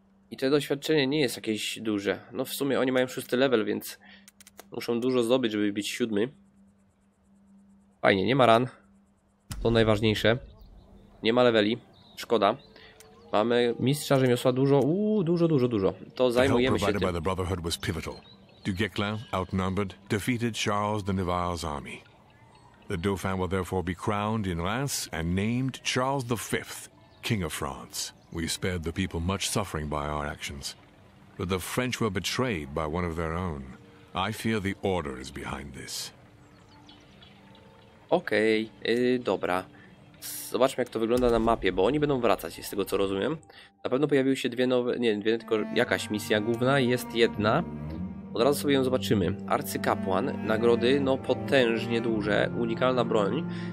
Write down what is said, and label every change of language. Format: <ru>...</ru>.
<pl>I to doświadczenie nie jest jakieś duże. No w sumie oni mają 6 level, więc muszą dużo zdobyć, żeby być 7. Fajnie, nie ma ran. To najważniejsze. Nie ma leveli. Szkoda. Mamy mistrza rzemiosła dużo. Dużo. To zajmujemy się tym.</pl> <en>The Brotherhood was pivotal. Du Guesclin, outnumbered, defeated Charles de Navarre's army. The Dauphin will therefore be crowned in Reims and named Charles V, King of France. We spared the people much suffering by our actions, but the French were betrayed by one of their own. I fear the order is behind this.</en> <pl>Okej, dobra. Zobaczmy, jak to wygląda na mapie, bo oni będą wracać, z tego co rozumiem. Na pewno pojawiły się dwie nowe, nie, dwie, tylko jakaś misja główna jest jedna. Od razu sobie ją zobaczymy. Arcykapłan, nagrody, no potężnie duże, unikalna broń.</pl>